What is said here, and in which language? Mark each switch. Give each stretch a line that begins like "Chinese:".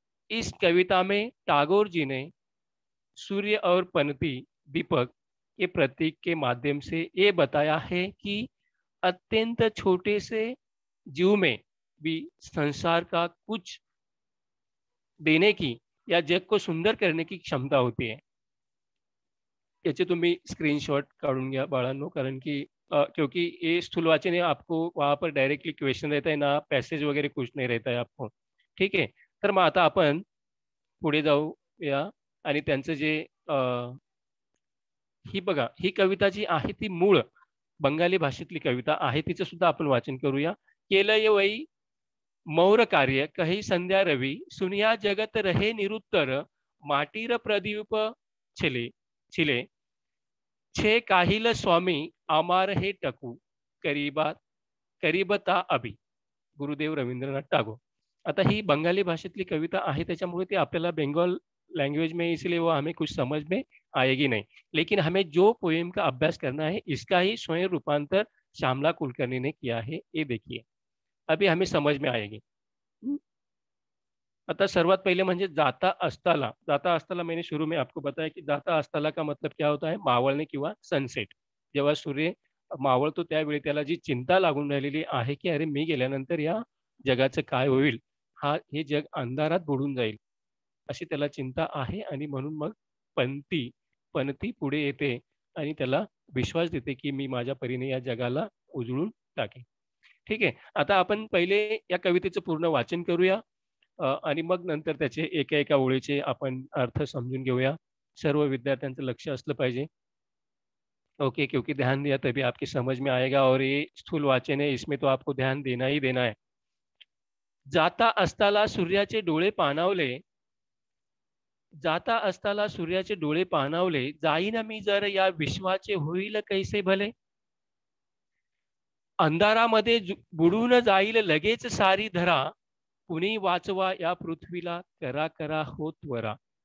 Hindi: इस कविता में टागोर जी ने सूर्य और पनती दीपक के प्रतीक के माध्यम से ये बताया है कि अत्यंत छोटे से जीव में भी संसार का कुछ देने की या जग को सुंदर करने की क्षमता होती है।
Marathi: याचे तुम्ही स्क्रीनशॉट काढून घ्या बाळांनो, कारण की
Hindi: क्योंकि ये स्थूलवाचन है, आपको वहां पर डायरेक्टली क्वेश्चन रहता है ना, पैसेज वगैरह कुछ नहीं रहता है आपको, ठीक है।
Marathi: तर मग आता आपण पुढे जाऊ या, आणि त्यांचं जे ही बघा, ही कविता जी आहे ती मूळ बंगाली भाषेतली कविता आहे, तिचं सुद्धा आपण वाचन करूया। केलं ये वही मौर कार्य कही संध्या रवि सुनिया जगत रहे निरुत्तर माटीर प्रदीप छिले छिले छे काहिल स्वामी आमार हे टकू करीबा करीबता अभी।
Hindi: गुरुदेव रवींद्रनाथ टागोर।
Marathi: आता ही बंगाली भाषेतली कविता आहे त्याच्यामुळे ती आपल्याला
Hindi: बंगाल लैंग्वेज में इसलिए वो हमें कुछ समझ में आएगी नहीं, लेकिन हमें जो पोएम का अभ्यास करना है इसका ही स्वयं रूपांतर श्यामला कुलकर्णी ने किया है, ये देखिए अभी हमें समझ में आएगी।
Marathi: अतः सर्वात पहले म्हणजे जाता अस्ताला।
Hindi: जाता अस्ताला मैंने शुरू में आपको बताया कि जाता अस्ताला का मतलब क्या होता है,
Marathi: मावळणे किंवा सनसेट। जेव्हा सूर्य मावळतो त्यावेळी त्याला जी चिंता लागून राहिलेली आहे की अरे मी गेल्यानंतर या जगाचं काय होईल, हा हे जग अंधारात बुडून जाईल अशी त्याला चिंता आहे, आणि म्हणून मग पंती पंती पुढे येते आणि त्याला विश्वास देते की मी माझ्या परीने या जगाला उजळून टाकेन। ठीक आहे, आता आपण पहिले या कवितेचं पूर्ण वाचन करूया आणि मग नंतर त्याचे एका एका ओळीचे आपण अर्थ समजून घेऊया। सर्व विद्यार्थ्यांचं लक्ष असलं पाहिजे,
Hindi: ओके, क्योंकि ध्यान दिया तभी आपकी समझ में आएगा और ये स्थूल वाचन है इसमें तो आपको ध्यान देना ही देना है।
Marathi: जाता अस्ताला सूर्याचे डोळे पानावले, जाता अस्ताला सूर्याचे डोळे पानावले, जाईना मी जर या विश्वाचे होईल कैसे भले, अंधारामध्ये बुडून जाईल लगेच सारी धरा, कुणी वाचवा या पृथ्वीला करा करा हो त्वरा।